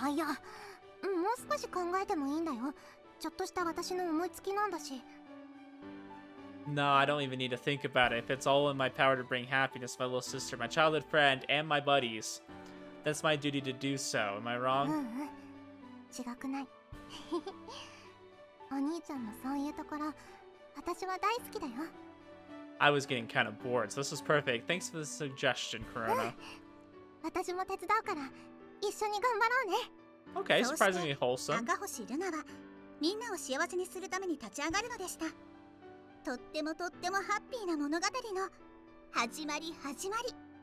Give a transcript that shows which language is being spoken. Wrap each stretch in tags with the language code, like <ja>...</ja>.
<ja>いや、もう少し考えてもいいんだよ。ちょっとした私の思いつきなんだし。</ja> <en>No, I don't even need to think about it. If it's all in my power to bring happiness to my little sister, my childhood friend, and my buddies, that's my duty to do so. Am I wrong?</en> <ja>うんうん、違くない。お兄ちゃんのそういうところ、私は大好きだよ。</ja> <en>I was getting kind of bored, so this was perfect. Thanks for the suggestion, Corona.</en> <ja>私も手伝うから、一緒に頑張ろうね。</ja> <en>Okay, surprisingly wholesome.</en> <ja>赤星ルナは、みんなを幸せにするために立ち上がるのでした。とってもとってもハッピーな物語の始まり始まり。</ja>